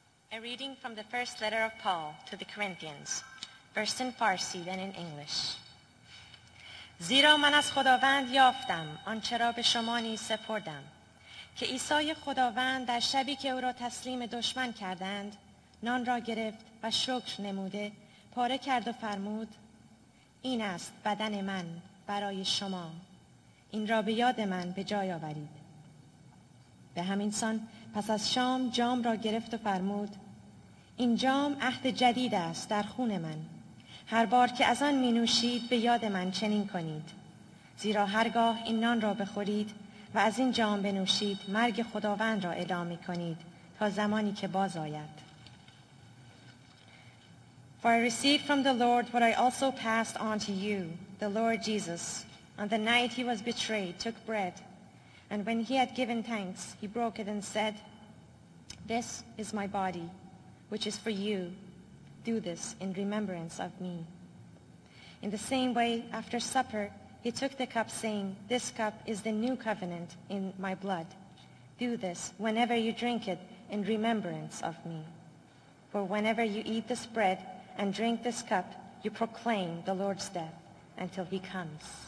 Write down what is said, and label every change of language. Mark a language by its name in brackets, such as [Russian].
[English] A reading from the first letter of Paul to the Corinthians, first in Farsi, then in English. [Persian] زیرا من از خداوند یافتم آنچه را به شما نیز سپردم که عیسی خداوند در شبی که او را تسلیم دشمن کردند نان را گرفت و شکر نموده پاره کرد و فرمود این است بدن من برای شما این را به یاد من به جای آورید به همین سان پس از شام جام را گرفت و فرمود این جام عهد جدید است در خون من هر بار که از آن می نوشید به یاد من چنین کنید زیرا هرگاه این نان را بخورید و از این جام بنوشید مرگ خداوند را اعلام می کنید تا زمانی که باز آید [English] For I received from the Lord what I also passed on to you the Lord Jesus on the night he was betrayed took bread and when he had given thanks he broke it and said This is my body which is for you Do this in remembrance of me. In the same way, after supper, he took the cup, saying, This cup is the new covenant in my blood. Do this whenever you drink it in remembrance of me. For whenever you eat this bread and drink this cup, you proclaim the Lord's death until he comes.